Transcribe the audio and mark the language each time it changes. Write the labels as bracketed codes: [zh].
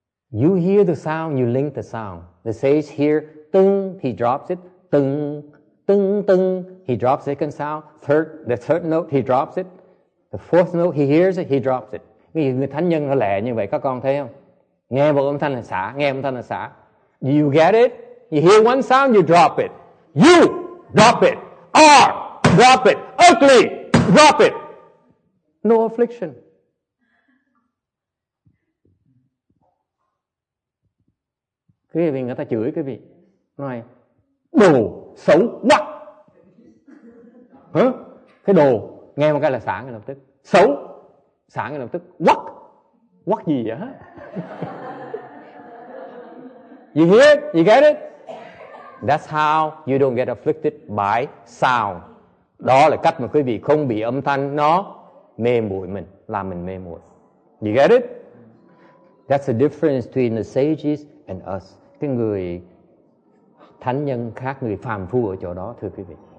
[en] You hear the sound, you link the sound. The sage hear, tung, he drops it, tung, tung, tung, he drops second sound, third, the third note, he drops it, the fourth note, he hears it, he drops it. [vi] Người thánh nhân nó lẹ như vậy, các con thấy không? Nghe một âm thanh là xả, nghe âm thanh là xả. [en] You get it? You hear one sound, you drop it. You, drop it. R, drop it. Ugly, drop it. No affliction. [vi] Quý vị, người ta chửi quý vị. Nói, đồ xấu quá. Cái đồ, nghe một cái là xả ngay lập tức. Xấu, xả ngay lập tức. What? What gì vậy? [en] You hear it? You get it? That's how you don't get afflicted by sound. [vi] Đó là cách mà quý vị không bị âm thanh nó mê muội mình, làm mình mê muội. [en] You get it? That's the difference between the sages and us. [vi] Cái người thánh nhân khác người phàm phu ở chỗ đó, thưa quý vị.